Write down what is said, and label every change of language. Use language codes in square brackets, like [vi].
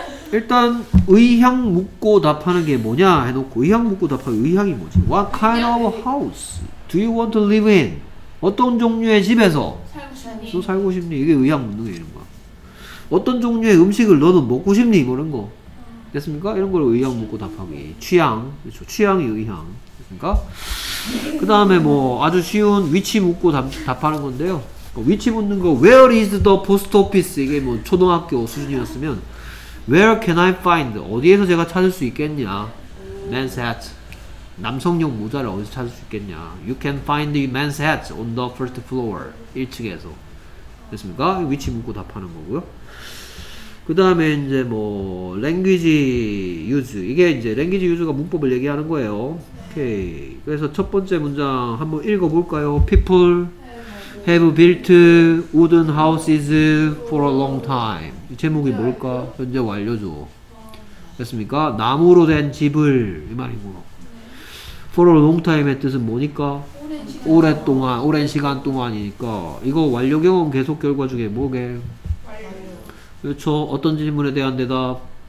[ko] 일단 의향 묻고 답하는 게 뭐냐 해놓고 의향 묻고 답하는 의향이 뭐지? [en] What kind of house do you want to live in? [ko] 어떤 종류의 집에서 살고 싶니? 이게 의향 묻는 게 이런 거야 어떤 종류의 음식을 너는 먹고 싶니? 이런 거 됐습니까? 이런 걸 의향 묻고 답하기 취향 그렇죠 취향이 의향 그니까 그 다음에 뭐 아주 쉬운 위치 묻고 답하는 건데요 위치 묻는 거 [en] Where is the post office? [ko] 이게 뭐 초등학교 수준이었으면 [en] Where can I find? [ko] 어디에서 제가 찾을 수 있겠냐 [en] Man's hat [ko] 남성용 모자를 어디서 찾을 수 있겠냐 [en] You can find the man's hat on the first floor [ko] 1층에서 됐습니까? 위치 묻고 답하는 거고요 그 다음에 이제 뭐 language use, 이게 이제 language use가 문법을 얘기하는 거예요. 오케이. 그래서 첫 번째 문장 한번 읽어볼까요? [en] People have built wooden houses for a long time. [ko] 이 제목이 뭘까? 현재 완료죠. 됐습니까? 나무로 된 집을, 이 말이고. [en] For a long time [ko] 의 뜻은 뭐니까? 오랫동안, 오랜 시간 동안이니까. 이거 완료경험 계속 결과 중에 뭐게? 그렇죠. 어떤 질문에 대한 대답?